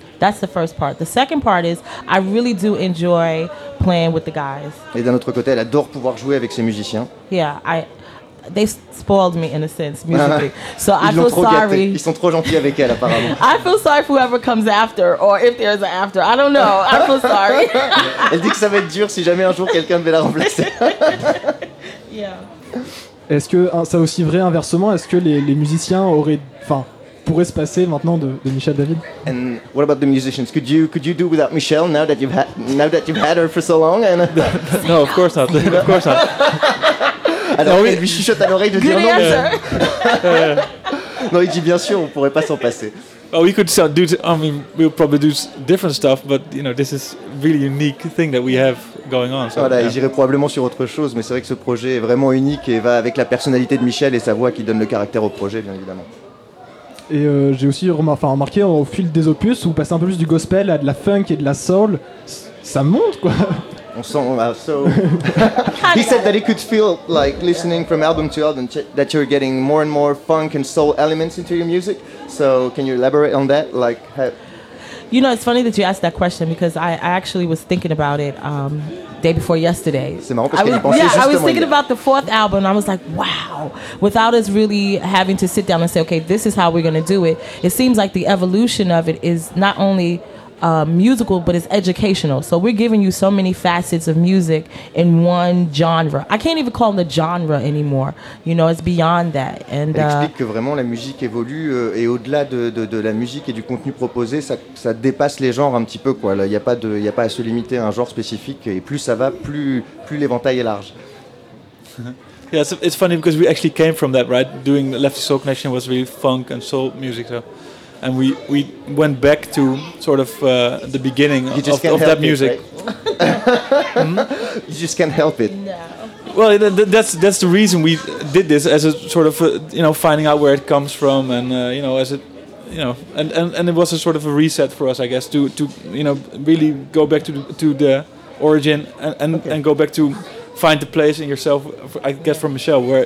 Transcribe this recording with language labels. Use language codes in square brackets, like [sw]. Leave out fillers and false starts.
[en] That's the first part. The second part is I really do enjoy playing with the guys. [fr] Et d'un autre côté, elle adore pouvoir jouer avec ses musiciens. [en] Yeah, they spoiled me in a sense musically. So I feel sorry. [fr] Ils sont trop gentils avec elle apparemment. [en] I feel sorry for whoever comes after or if there's an after. I don't know. I feel sorry. [fr] Elle dit que ça va être dur si jamais un jour quelqu'un devait la remplacer. [en] Yeah. [fr] Est-ce que ça aussi vrai inversement? Est-ce que les musiciens pourraient se passer maintenant de Michel David? [en] And what about the musicians? Could you do without Michel now that you've had her for so long? And no, of course not. Of course not. [fr] Alors il lui chuchote à l'oreille de [en] good [fr] dire non. [en] Yeah. [fr] Non, il dit bien sûr, on pourrait pas s'en passer. [en] Oh, we could do. I mean, we'll probably do different stuff, but you know, this is really unique thing that we have going on. So, [fr] voilà, yeah. J'irai probablement sur autre chose, mais c'est vrai que ce projet est vraiment unique et va avec la personnalité de Michel et sa voix qui donne le caractère au projet, bien évidemment. Et j'ai aussi remarqué au fil des opus, vous passez un peu plus du gospel à de la funk et de la soul, ça monte quoi. On sent. [en] So he said that he could feel like listening from album to album that you're getting more and more funk and soul elements into your music. So can you elaborate on that? Like, you know, it's funny that you asked that question because I actually was thinking about it day before yesterday. [fr] C'est marrant parce qu'elle y pensait juste. [en] Yeah, I was thinking about the fourth album. I was like, wow. Without us really having to sit down and say, okay, this is how we're going to do it. It seems like the evolution of it is not only musical, but it's educational. So we're giving you so many facets of music in one genre. I can't even call it a genre anymore. You know, it's beyond that. And [fr] elle explique que vraiment la musique évolue et au-delà de la musique et du contenu proposé, ça dépasse les genres un petit peu quoi. Il y a pas de, y a pas à se limiter à un genre spécifique. Et plus ça va, plus l'éventail est large. [en] Yeah, so it's funny because we actually came from that, right? Doing Lefty Soul Connection was really funk and soul music. So. And we went back to sort of the beginning of that music. Right? You just can't help it. No. Well, that's the reason we did this, as a sort of finding out where it comes from, and and it was a sort of a reset for us, I guess, to really go back to the origin and go back to find the place in yourself, I guess, from Michelle,